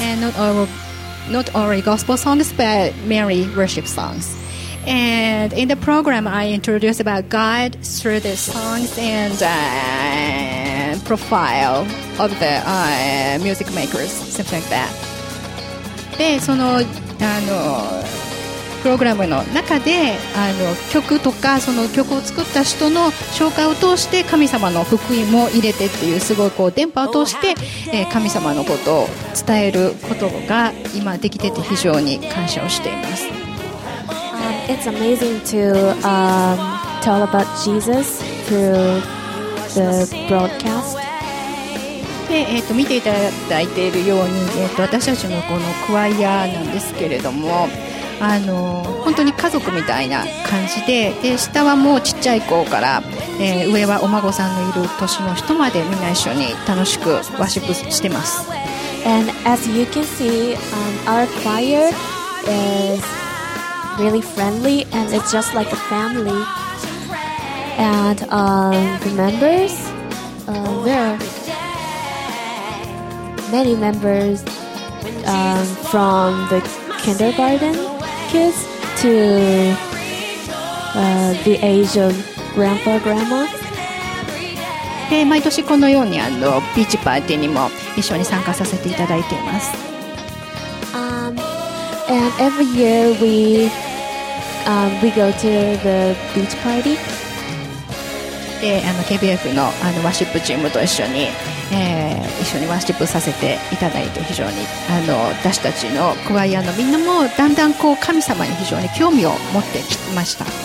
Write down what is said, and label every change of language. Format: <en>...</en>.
<en>And not only gospel songs, but Mary worship songs. And in the program, I introduce about God through the songs and profile of the music makers, stuff like that.</en> <ja>で、その、プログラムの中で曲とかその曲を作った人の紹介を通して神様の福音も入れてっていうすごいこう電波を通して神様のことを伝えることが今できてて非常に感謝をしています。</ja> <en>It's amazing to tell about Jesus through the broadcast.</en> <ja>で見ていただいているように、私たちのこのクワイアなんですけれども本当に家族みたいな感じ で下はもうちっちゃい子から、上はお孫さんのいる年の人までみんな一緒に楽しくワーシップしてます。</ja> <en>And as you can see, our choir is really friendly and it's just like a family. And the members there many members from the kindergarten kids to the age of grandpa grandma.</en> <ja>で毎年このようにビーチパーティーにも一緒に参加させていただいています。</ja> <en>And every year we go to the beach party.</en> <ja>で KBF のワーシップチームと一緒に。一緒にワーシップさせていただいて非常に私たちのクワイアのみんなもだんだんこう神様に非常に興味を持ってきました。</ja>